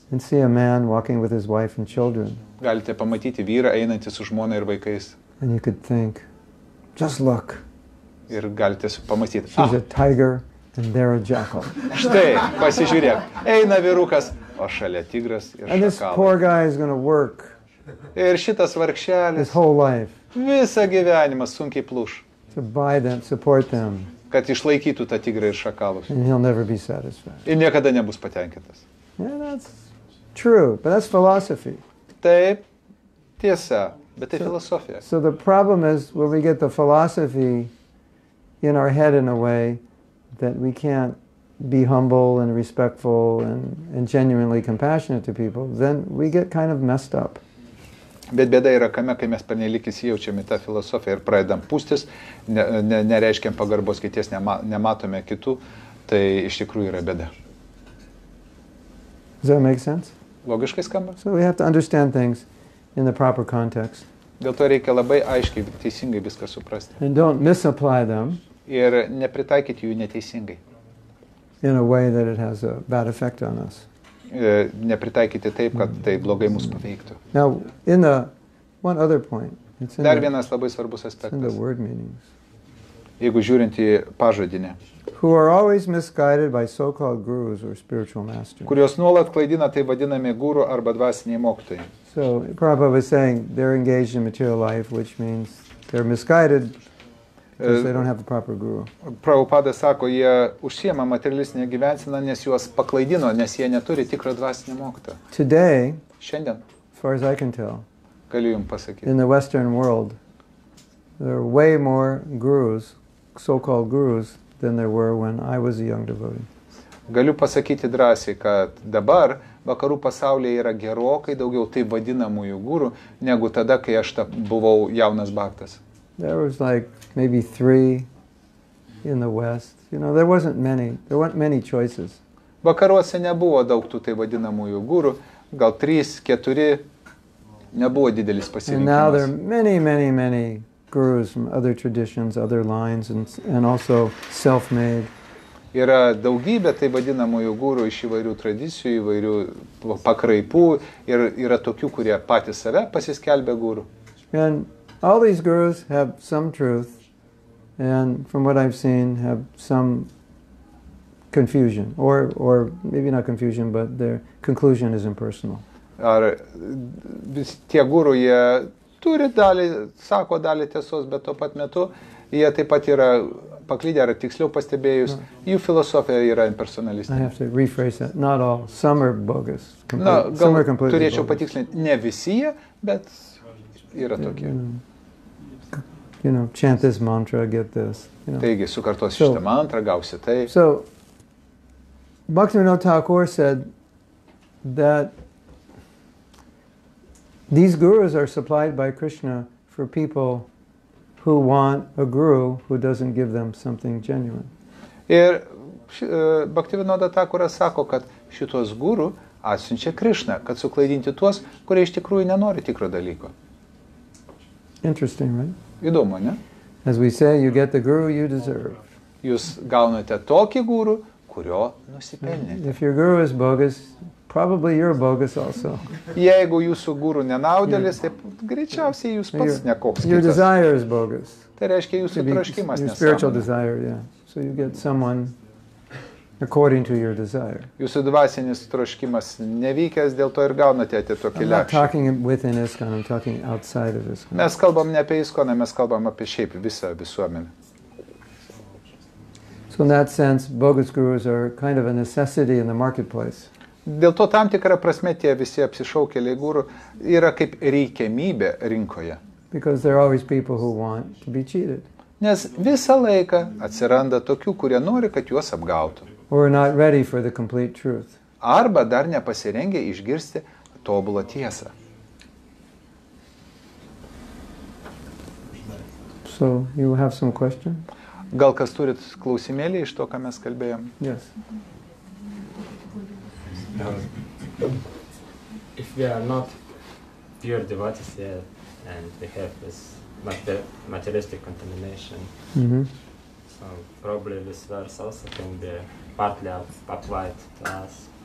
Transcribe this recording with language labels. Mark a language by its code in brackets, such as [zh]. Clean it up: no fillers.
[en] and see a man walking with his wife and children. [lt] Galite pamatyti vyrą einantį su žmona ir vaikais. [en] And you could think, just look. [lt] Ir galite pamatyti, [en] she's a tiger. And they're a jackal. [lt] Štai, pasižiūrėk. Eina vyrukas, o šalia tigras ir šakalas. [en] And this poor guy is going to work. [lt] Ir šitas vargšelis. [en] His whole life. [lt] Visą gyvenimą sunkiai pluš. [en] To buy them, support them. [lt] Kad išlaikytų tą tigrą ir šakalus. [en] And he'll never be satisfied. [lt] Ir niekada nebus patenkintas. [en] Yeah, that's true, but that's philosophy. [lt] Taip, tiesa, bet tai filosofija. [en] So the problem is when we get the philosophy in our head in a way that we can't be humble and respectful and genuinely compassionate to people, then we get kind of messed up. [lt] Bet bėda yra kame, kai mes pernelyg įsijaučiam į tą filosofiją ir pradedam pūstis, nereiškiam pagarbos kities, nematome kitų, tai iš tikrųjų yra bėda. [en] Does that make sense? [lt] Logiškai skamba? [en] So we have to understand things in the proper context. [lt] Dėl to reikia labai aiškiai, teisingai viską suprasti. [en] And don't misapply them. [lt] Ir nepritaikyti jų neteisingai. [en] In a way that it has a bad effect on us. [lt] Nepritaikyti taip, kad tai blogai mus paveiktų. [en] Now, in the one other point. It's [lt] dar vienas labai svarbus aspektas. [en] In the word meanings. [lt] Jeigu žiūrint į pažodinę. [en] Who are always misguided by so-called gurus or spiritual masters. [lt] Kurios nuolat klaidina tai vadinami guru arba dvasiniai mokytojai. [en] So, Prabhupada was saying, they're engaged in material life, which means they're misguided. Because they don't have a proper guru. [lt] Prabhupada sako, jie užsiema materialistinę gyvenseną, nes juos paklaidino, nes jie neturi tikro dvasinio mokyto. [en] Today, [lt] šiandien, [en] as far as I can tell, [lt] galiu jums pasakyti, [en] in the Western world, there are way more gurus, so-called gurus, than there were when I was a young devotee. [lt] Galiu pasakyti drąsiai, kad dabar vakarų pasaulyje yra gerokai daugiau taip vadinamųjų gurų, negu tada, kai aš buvau jaunas baktas. [en] There was like maybe 3 in the West. You know, there wasn't many. There weren't many choices. [lt] Vakaruose nebuvo daug tų tai vadinamųjų guru. Gal 3-4 nebuvo didelis pasirinkimas. [en] And now there are many, many, many gurus from other traditions, other lines, and also self-made. [lt] Yra daugybė tai vadinamųjų guru iš įvairių tradicijų, įvairių pakraipų. Ir yra tokių, kurie patys save pasiskelbė guru. [en] And all these gurus have some truth, and from what I've seen, have some confusion, or maybe not confusion, but their conclusion is impersonal. [lt] Ar vis tie guru, jie turi dalį, sako dalį tiesos, bet tuo pat metu jie taip pat yra paklydę, ar tiksliau pastebėjus, jų filosofija yra impersonalistinė. [en] I have to rephrase that. Not all. Some are bogus. Some are completely [lt] turėčiau [en] bogus. [lt] Patikslinti, ne visi jie, bet yra tokie. [en] You know, chant this mantra, get this. You know. [lt] Taigi, sukartosi šitą mantrą, gausi tai. [en] So, Bhaktivinoda Thakur said that these gurus are supplied by Krishna for people who want a guru who doesn't give them something genuine. [lt] Ir Bhaktivinoda Thakura sako, kad šitos guru atsiunčia Krishna, kad suklaidinti tuos, kurie iš tikrųjų nenori tikro dalyko. [en] Interesting, right? [lt] Įdomu, ne? [en] As we say, you get the guru you deserve. [lt] Jūs gaunate tokį guru, kurio nusipelnėte. [en] If your guru is bogus, probably you're bogus also. [lt] Jeigu jūsų guru nenaudėlis, tai greičiausiai jūs pats nekoks kitas. [en] Your desire is bogus. [lt] Tai reiškia jūsų troškimas nesąmonė. [en] Your spiritual desire, yeah. So you get someone according to your desire. [lt] Jūsų dvasinis troškimas nevykęs, dėl to ir gaunate tokį lėkštį. [en] I'm not talking within ISKCON, I'm talking outside of ISKCON. [lt] Mes kalbam ne apie ISKCON, mes kalbam apie šiaip visą visuomenę. [en] So in that sense, bogus gurus are kind of a necessity in the marketplace. [lt] Dėl to tam tikrą prasme tie visi apsišaukėliai gūrų yra kaip reikiamybė rinkoje. [en] Because there are always people who want to be cheated. [lt] Nes visą laiką atsiranda tokių, kurie nori, kad juos apgautų. [en] Or not ready for the complete truth. [lt] Arba dar nepasirengę išgirsti tobulą tiesą. [en] So, you have some question? [lt] Gal kas turit klausimėlį iš to, ką mes kalbėjom? [en] Yes. If we are not pure devotees yet, and we have this materialistic contamination, so probably this verse also can be partly applied to us.